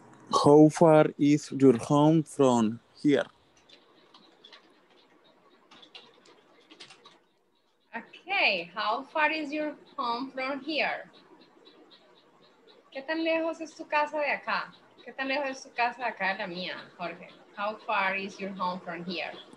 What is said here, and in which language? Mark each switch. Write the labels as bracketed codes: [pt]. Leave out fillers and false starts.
[en] How far is your home from here? Okay, how far is your home from here? [es] ¿Qué tan lejos es tu casa de acá? ¿Qué tan lejos es tu casa de acá de la mía, Jorge? [en] How far is your home from here?